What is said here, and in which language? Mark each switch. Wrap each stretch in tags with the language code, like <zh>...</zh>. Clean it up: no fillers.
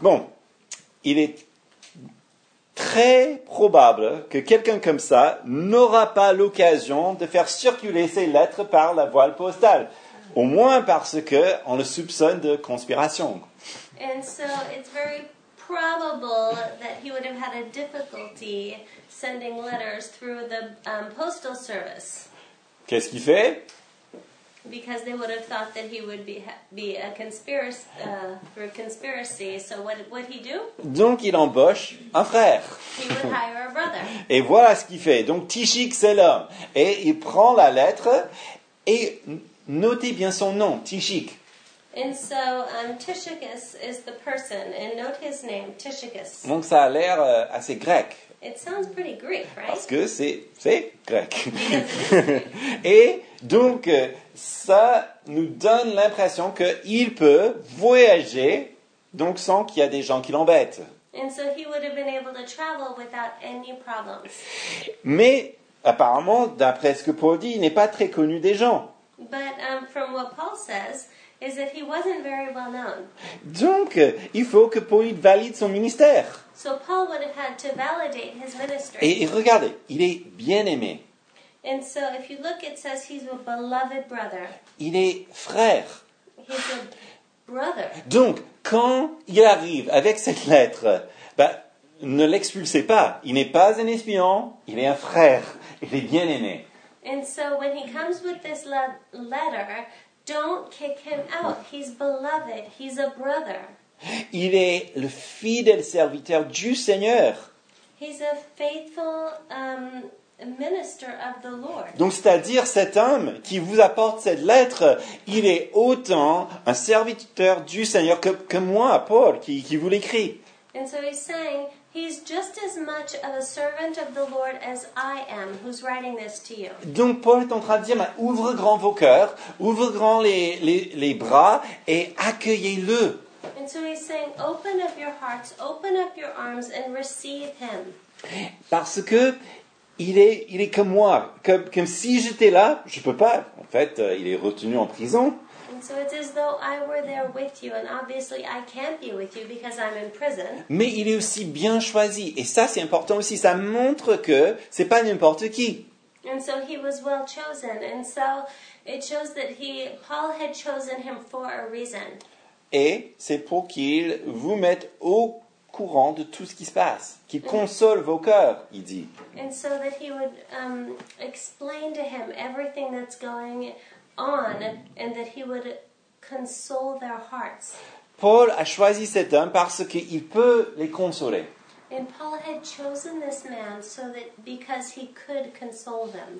<fr>Bon, il est très probable que quelqu'un comme ça n'aura pas l'occasion de faire circuler ses lettres par la voie postale. Au moins parce qu'on le soupçonne de conspiration.</fr> <en>And so it's very probable that he would have had a difficulty sending letters through the postal service.</en> <fr>Qu'est-ce qu'il fait?</fr> <en>Because they would have thought that he would be a conspiracy, for a conspiracy. So what he do?</en> <fr>Donc il embauche un frère.</fr> <en>He would hire a brother.</en> <fr>Et voilà ce qu'il fait. Donc Tichik, c'est l'homme. Et il prend la lettre et notez bien son nom, Tichik.</fr> <en>And so Tychicus is the person. And note his name, Tychicus.</en> <fr>Donc ça a l'air assez grec.</fr> <en>It sounds pretty Greek, right?</en> <fr>Parce que c'est grec. Et donc, ça nous donne l'impression qu'il peut voyager donc sans qu'il y ait des gens qui l'embêtent.</fr> <en>And so he would have been able to travel without any problems.</en> <fr>Mais apparemment, d'après ce que Paul dit, il n'est pas très connu des gens.</fr> <en>But from what Paul says, is that he wasn't very well known.</en> <fr>Donc, il faut que Paul valide son ministère.</fr> <en>So Paul would have had to validate his ministry.</en> <fr>Et regardez, il est bien aimé.</fr> <en>And so if you look, it says he's a beloved brother.</en> <fr>Il est frère.</fr> <en>He's a brother.</en> <fr>Donc, quand il arrive avec cette lettre, bah, ne l'expulsez pas. Il n'est pas un espion, il est un frère. Il est bien aimé.</fr> <en>And so when he comes with this letter, don't kick him out. He's beloved. He's a brother.</en> <fr>Il est le fidèle serviteur du Seigneur.</fr> <en>He's a faithful minister of the Lord.</en> <fr>Donc c'est-à-dire cet homme qui vous apporte cette lettre, il est autant un serviteur du Seigneur que moi, Paul, qui vous l'écrit.</fr> <en>And so he's saying he's just as much of a servant of the Lord as I am, who's writing this to you.</en> <fr>Donc Paul est en train de dire, bah, ouvre grand vos cœurs, ouvre grand les bras et accueillez-le.</fr> <en>And so he's saying, open up your hearts, open up your arms and receive him.</en> <fr>Parce que il est comme moi, comme si j'étais là, je peux pas. En fait, il est retenu en prison.</fr> <en>And so it's as though I were there with you, and obviously I can't be with you because I'm in prison.</en> <fr>Mais il est aussi bien choisi, et ça c'est important aussi. Ça montre que c'est pas n'importe qui.</fr> <en>And so he was well chosen, and so it shows that Paul had chosen him for a reason.</en> <fr>Et c'est pour qu'il vous mette au courant de tout ce qui se passe, qu'il console vos cœurs, il dit.</fr> <en>And so that he would explain to him everything that's going on, and that he would console their hearts.</en> <fr>Paul a choisi cet homme parce qu'il peut les consoler.</fr> <en>And Paul had chosen this man so that because he could console them.</en>